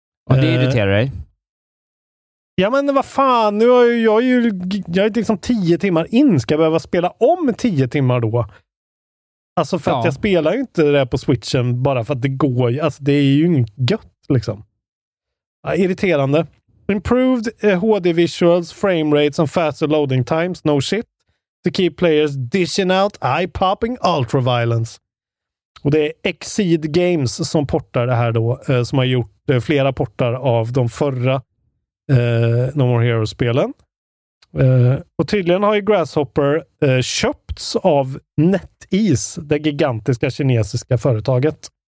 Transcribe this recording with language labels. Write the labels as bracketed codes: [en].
[sv] Och det irriterar dig. Ja, men vad fan, nu har jag är liksom 10 timmar in. Ska jag behöva spela om 10 timmar då? Alltså för att jag spelar ju inte det på Switchen bara för att det går. Alltså det är ju inget gött liksom. Ja, irriterande. [en] Improved HD visuals, frame rates and faster loading times. No shit. To keep players dishing out eye-popping ultraviolence. [sv] Och det är Exceed Games som portar det här då. Som har gjort flera portar av de förra No More Heroes-spelen. Och tydligen har ju Grasshopper köpts av NetEase, det gigantiska kinesiska företaget.